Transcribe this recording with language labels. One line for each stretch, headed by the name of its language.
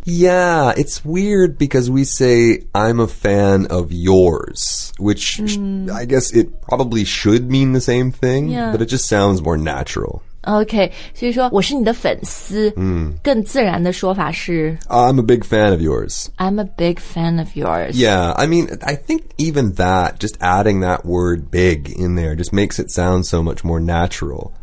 English: Yeah, it's weird because we say I'm a fan of yours, which I guess it probably should mean the same thing,、 yeah. but it just sounds more natural.
Chinese: OK, 所以说我是你的粉丝、更自然的说法是
English: I'm a big fan of yours. I'm a big fan of yours. Yeah, I mean, I think even that, just adding that word big in there just makes it sound so much more natural.